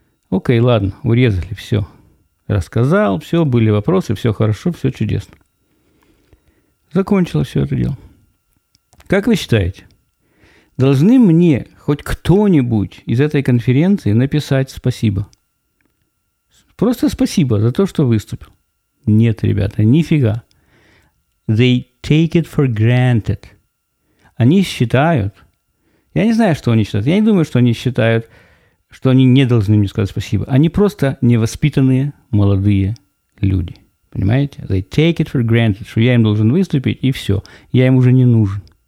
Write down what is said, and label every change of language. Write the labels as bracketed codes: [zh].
[ru] Окей, ладно, урезали, все. Рассказал, все, были вопросы, все хорошо, все чудесно. Закончилось все это дело. Как вы считаете, должны мне хоть кто-нибудь из этой конференции написать спасибо? Просто спасибо за то, что выступил. Нет, ребята, нифига. [en] They take it for granted. [ru] Они считают, я не знаю, что они считают, я не думаю, что они считают, что они не должны мне сказать спасибо. Они просто невоспитанные молодые люди, понимаете? [en] They take it for granted, [ru] что я им должен выступить, и все, я им уже не нужен.